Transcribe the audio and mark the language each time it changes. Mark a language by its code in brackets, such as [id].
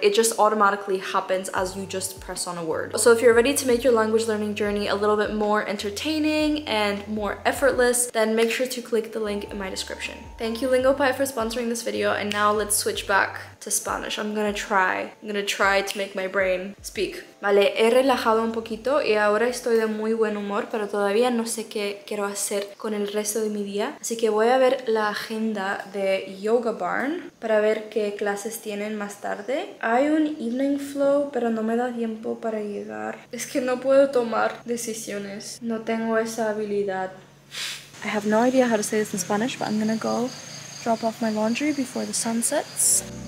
[en] It just automatically happens as you just press on a word. So if you're ready to make your language learning journey a little bit more entertaining and more effortless, then make sure to click the link in my description. Thank you, Lingopie, for sponsoring this video. And now let's switch back to Spanish. I'm gonna try to make my brain speak. [es] Vale, he relajado un poquito y ahora estoy de muy buen humor, pero todavía no sé qué quiero hacer con el resto de mi día. Así que voy a ver la agenda de Yoga Barn para ver qué clases tienen más tarde. Hay un evening flow, pero no me da tiempo para llegar. Es que no puedo tomar decisiones. No tengo esa habilidad. [en] I have no idea how to say this in Spanish, but I'm gonna go drop off my laundry before the sun sets.